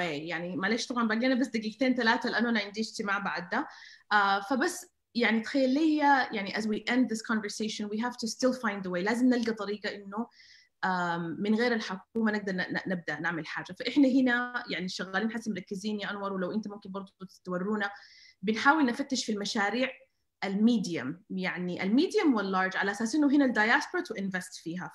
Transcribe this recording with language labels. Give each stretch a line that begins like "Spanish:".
Arabic: يعني معلش طبعا بقينا بس دقيقتين ثلاثة لأنه أنا عندي اجتماع بعد ده. فبس يعني تخيل لي يعني
English: as we end this conversation we have to still find a way.
Arabic: لازم نلقى طريقة إنه من غير الحكومة نقدر نبدأ نعمل حاجة. فإحنا هنا يعني شغالين حسب مركزين يا أنور، ولو أنت ممكن برضو تورونا، بنحاول نفتش في المشاريع الميديوم، يعني الميديوم واللارج، على أساس إنه هنا الدياسبرا
English: to invest
Arabic: فيها.